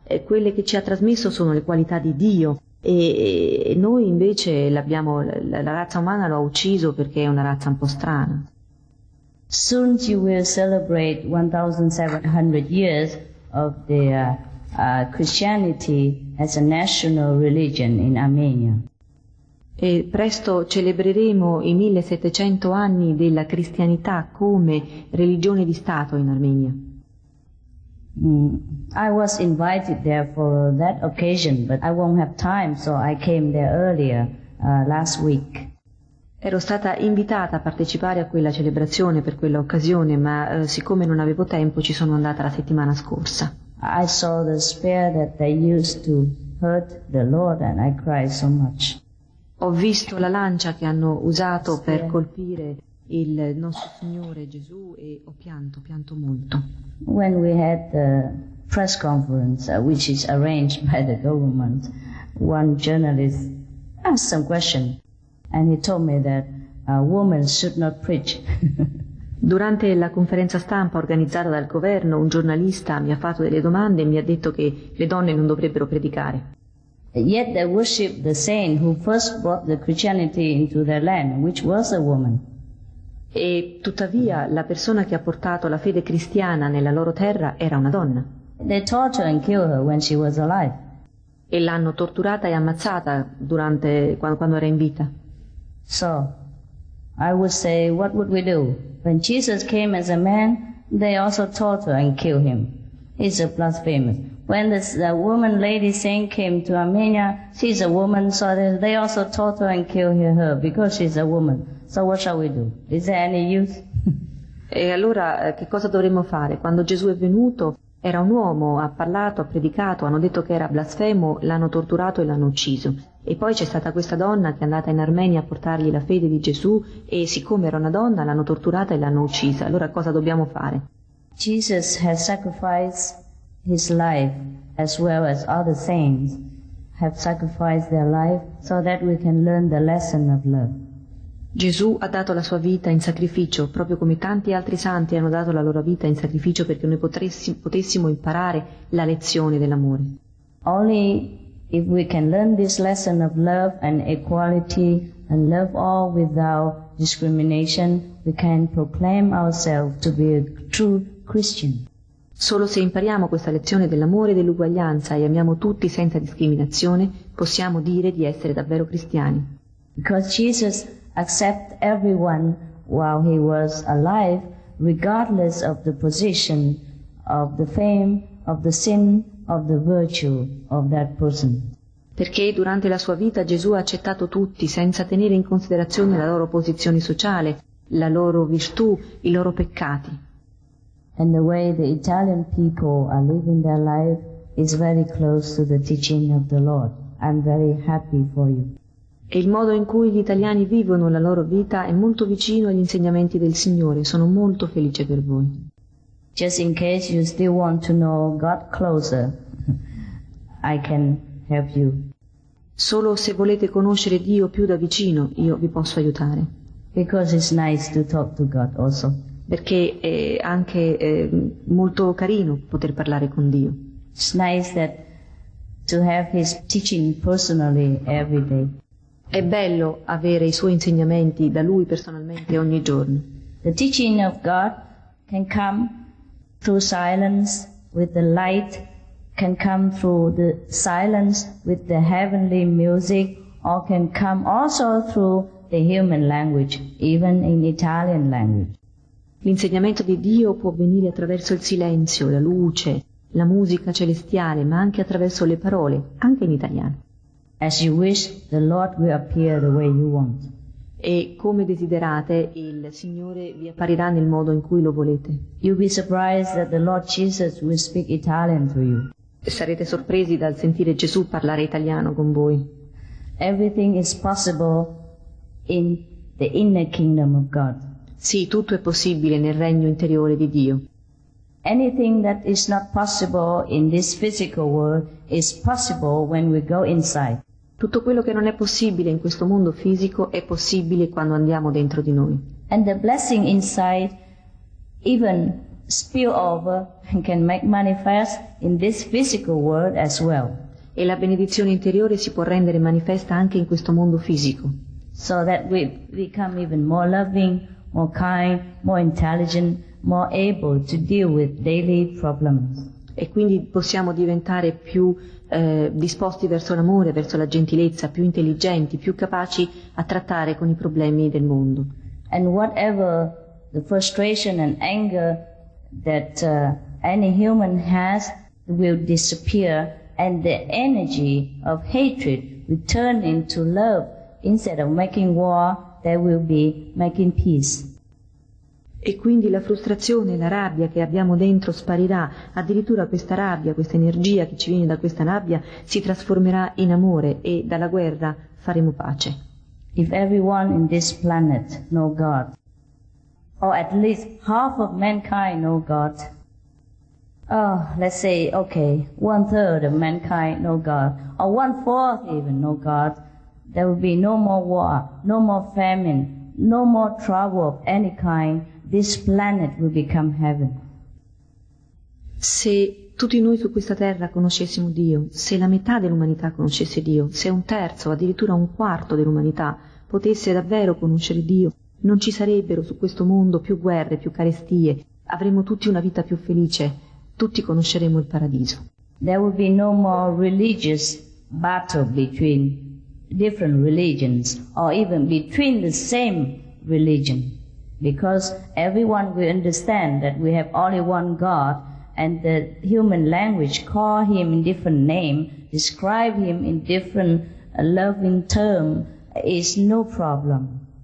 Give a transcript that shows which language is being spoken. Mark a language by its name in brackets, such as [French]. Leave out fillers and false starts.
[Italian] Quelle che ci ha trasmesso sono le qualità di Dio. E noi invece la razza umana l'ha ucciso perché è una razza un po' strana. [English] Soon you will celebrate 1,700 years of the Christianity as a national religion in Armenia. [Italian] E presto celebreremo i 1,700 anni della cristianità come religione di Stato in Armenia. [English] I was invited there for that occasion, but I won't have time, so I came there earlier last week. [Italian] Ero stata invitata a partecipare a quella celebrazione per quella occasione, ma siccome non avevo tempo, ci sono andata la settimana scorsa. [English] I saw the spear that they used to hurt the Lord, and I cried so much. [Italian] Ho visto la lancia che hanno usato per colpire il nostro Signore Gesù e ho pianto molto. [English] When we had the press conference, which is arranged by the government, one journalist asked some question, and he told me that a woman should not preach. [Italian] Durante la conferenza stampa organizzata dal governo, un giornalista mi ha fatto delle domande e mi ha detto che le donne non dovrebbero predicare. [English] Yet they worship the saint who first brought the Christianity into their land, which was a woman. [Italian] E tuttavia la persona che ha portato la fede cristiana nella loro terra era una donna. [English] They tortured and killed her when she was alive. [Italian] E l'hanno torturata e ammazzata quando era in vita. [English] So, I would say, what would we do? When Jesus came as a man, they also tortured and killed him. He's a blasphemer. When the woman lady saint came to Armenia, she's a woman, so they also torture and kill her because she's a woman. So what shall we do? Is there any use? [Italian] E allora che cosa dovremmo fare? Quando Gesù è venuto, era un uomo, ha parlato, ha predicato, hanno detto che era blasfemo, l'hanno torturato e l'hanno ucciso. E poi c'è stata questa donna che è andata in Armenia a portargli la fede di Gesù e siccome era una donna l'hanno torturata e l'hanno uccisa. Allora cosa dobbiamo fare? [English] Jesus has sacrificed his life, as well as other saints have sacrificed their life, so that we can learn the lesson of love. [Italian] Gesù ha dato la sua vita in sacrificio, proprio come tanti altri santi hanno dato la loro vita in sacrificio perché noi potessimo imparare la lezione dell'amore. [English] Only if we can learn this lesson of love and equality and love all without discrimination, we can proclaim ourselves to be a true Christian. [Italian] Solo se impariamo questa lezione dell'amore e dell'uguaglianza e amiamo tutti senza discriminazione, possiamo dire di essere davvero cristiani. [English] Because Jesus accepted everyone while he was alive, regardless of the position, of the fame, of the sin, of the virtue of that person. [Italian] Perché durante la sua vita Gesù ha accettato tutti senza tenere in considerazione la loro posizione sociale, la loro virtù, i loro peccati. [English] And the way the Italian people are living their life is very close to the teaching of the Lord. I'm very happy for you. [Italian] E il modo in cui gli italiani vivono la loro vita è molto vicino agli insegnamenti del Signore. Sono molto felice per voi. [English] Just in case you still want to know God closer, I can help you. [Italian] Solo se volete conoscere Dio più da vicino, io vi posso aiutare. [English] Because it's nice to talk to God also. [Italian] Perché è anche molto carino poter parlare con Dio. [English] It's nice that to have his teaching personally every day. [Italian] È bello avere i suoi insegnamenti da lui personalmente ogni giorno. [English] The teaching of God can come through silence with the light, can come through the silence with the heavenly music, or can come also through the human language, even in Italian language. [Italian] L'insegnamento di Dio può venire attraverso il silenzio, la luce, la musica celestiale, ma anche attraverso le parole, anche in italiano. [English] As you wish, the Lord will appear the way you want. [Italian] E come desiderate, il Signore vi apparirà nel modo in cui lo volete. [English] You'll be surprised that the Lord Jesus will speak Italian to you. [Italian] Sarete sorpresi dal sentire Gesù parlare italiano con voi. [English] Everything is possible in the inner kingdom of God. [Italian] Sì, tutto è possibile nel regno interiore di Dio. [English] Anything that is not possible in this physical world is possible when we go inside. [Italian] Tutto quello che non è possibile in questo mondo fisico è possibile quando andiamo dentro di noi. [English] And the blessing inside even spill over and can make manifest in this physical world as well. [Italian] E la benedizione interiore si può rendere manifesta anche in questo mondo fisico. [English] So that we become even more loving, more kind, more intelligent, more able to deal with daily problems. [Italian] E quindi possiamo diventare più disposti verso l'amore, verso la gentilezza, più intelligenti, più capaci a trattare con i problemi del mondo. [English] And whatever the frustration and anger that any human has will disappear, and the energy of hatred will turn into love. Instead of making war, there will be making peace. [Italian] E quindi la frustrazione, la rabbia che abbiamo dentro sparirà, addirittura questa rabbia, questa energia che ci viene da questa rabbia si trasformerà in amore e dalla guerra faremo pace. [English] If everyone in this planet know God, or at least half of mankind know God, oh, let's say, okay, one third of mankind know God, or one fourth even know God, there will be no more war, no more famine, no more trouble of any kind. This planet will become heaven. [Italian] Se tutti noi su questa terra conoscessimo Dio, se la metà dell'umanità conoscesse Dio, se un terzo, addirittura un quarto dell'umanità potesse davvero conoscere Dio, non ci sarebbero su questo mondo più guerre, più carestie, avremmo tutti una vita più felice, tutti conosceremo il paradiso. [English] There will be no more religious battle between different religions or even between the same religion. Because everyone will understand that we have only one God, and the human language call him in different name, describe him in different loving term, is no problem.